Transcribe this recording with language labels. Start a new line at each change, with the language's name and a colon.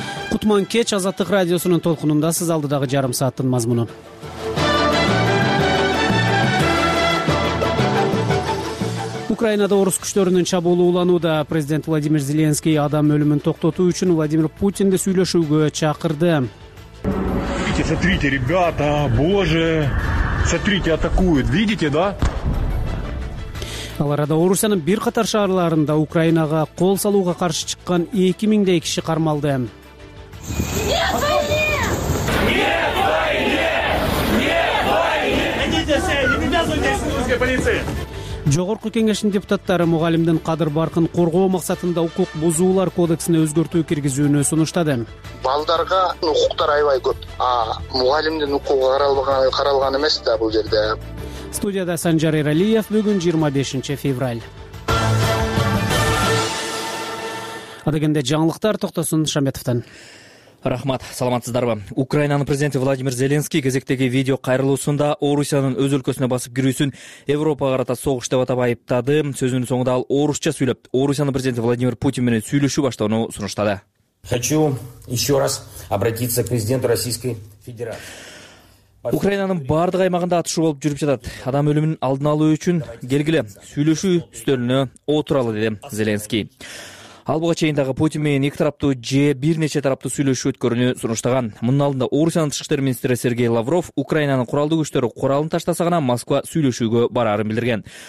Kyrgyz: Кутман кеч Азаттык радиосунун толкунунда сиз алдыдагы жарым сааттын мазмуну. Украинада орус күчтөрүнүн чабуулу уланууда президент Владимир Зеленский адам өлүмүн токтотуу үчүн Владимир Путинди сүйлөшүүгө чакырды.
Russian: Видите, смотрите, ребята, боже. Смотрите, атакуют. Видите, да?
Kyrgyz: Ал арада Орусиянын бир катар шаарларында Украинага кол салууга каршы чыккан 2000 киши кармалды. Жогорку кеңештин депутаттары мугалимдин кадыр баркын коргоо максатында укук бузуулар кодексине өзгөртүү киргизүүнү сунуштады. Балдарга укуктар аябай көп, а мугалимдин укугу каралган эмес да бул жерде. Студияда Санжар Эралиев, бүгүн 25 февраль. Адегенде жаңылыктар, токтосун Шамбетовтон. Рахмат, саламатсыздарбы. Украинанын президенти Владимир Зеленский кезектеги видео кайрылуусунда Орусиянын өз өлкөсүнө басып кирүүсүн Европага карата согуш деп атап айыптады. Сөзүнүн соңунда ал орусча сүйлөп, Орусиянын президенти Владимир Путин менен сүйлөшүү баштоону сунуштады.
Russian: Хочу еще раз обратиться к президенту Российской Федерации.
Kyrgyz: Украинанын бардык аймагында атышуу болуп жүрүп жатат. Адам өлүмүн алдын алуу үчүн келгиле сүйлөшүү үстөлүнө отуралы, деди Зеленский. Ал буга чейин дагы Путин менен эки тараптуу же бир нече тараптуу сүйлөшүү өткөрүүнү сунуштаган. Мунун алдында Орусиянын тышкы иштер министри Сергей Лавров Украинанын куралдуу күчтөрү куралын таштаса гана Москва сүйлөшүүгө барарын билдирген.